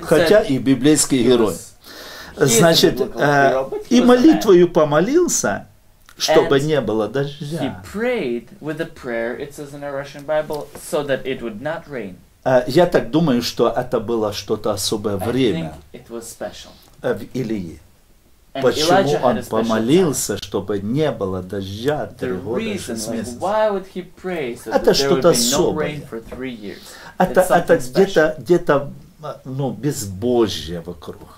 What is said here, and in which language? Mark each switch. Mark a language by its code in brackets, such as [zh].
[ru] хотя и библейский герой. Значит, [en] hero, [ru] и молитвою помолился, чтобы не было дождя. [en] He prayed with a prayer, it says in our Russian Bible, so that it would not rain. [ru] Я так думаю, что это было что-то особое время в Илии. Почему он помолился, чтобы не было дождя три года, шесть месяцев? Это что-то особое. Это где-то безбожье вокруг.